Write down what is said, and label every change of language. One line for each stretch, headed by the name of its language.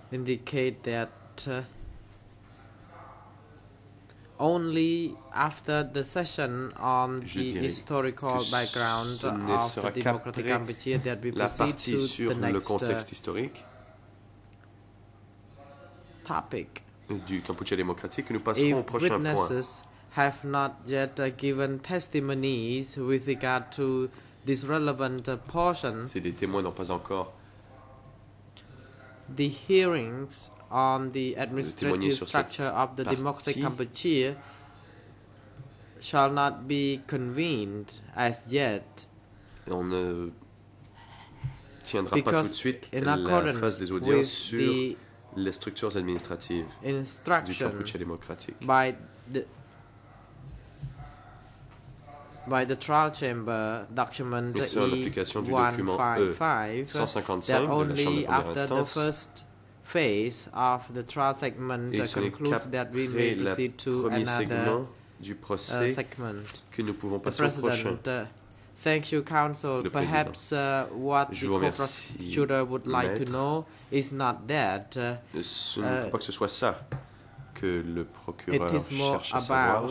English: Indicate that only after the session on the historical background of the Democratic Cambodia that we proceed to the next topic.
French: Du Cambodia démocratique, nous passerons au prochain point.
English: If witnesses have not yet given testimonies with regard to this relevant portion,
French: si les témoins n'ont pas encore,
English: the hearings on the administrative structure of the Democratic Cambodia shall not be convened as yet.
French: On ne tiendra pas tout de suite la phase des audiences sur les structures administratives du Cambodia démocratique.
English: By the trial chamber document E155, that only after the first phase of the trial segment concludes that we may proceed to another segment.
French: Que nous pouvons passer au prochain.
English: Thank you, counsel. Perhaps what the co-prosecutor would like to know is not that.
French: Ce n'est pas que ce soit ça que le procureur cherche à savoir.